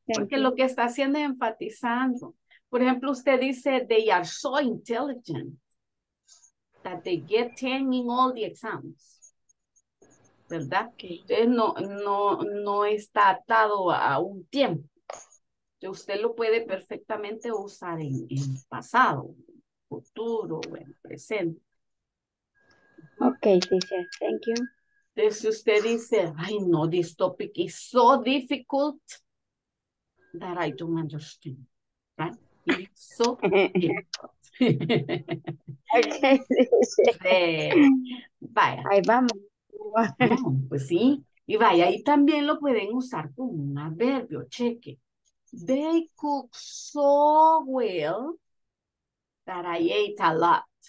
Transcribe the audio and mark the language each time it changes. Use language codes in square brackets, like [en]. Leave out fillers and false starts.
[es] Porque lo que está haciendo es enfatizando. Por ejemplo, usted dice, [en] they are so intelligent that they get 10 in all the exams. [es] ¿Verdad? [en] Okay. [es] Entonces no está atado a un tiempo. Entonces usted lo puede perfectamente usar en pasado, en futuro, en presente. [en] Okay, teacher. Thank you. [es] Entonces usted dice, [en] I know this topic is so difficult that I don't understand. Right? It's so difficult. Okay, teacher. [es] Vaya. Ahí vamos. No, pues sí. Y vaya, ahí también lo pueden usar como un adverbio. Cheque. [en] They cook so well that I ate a lot.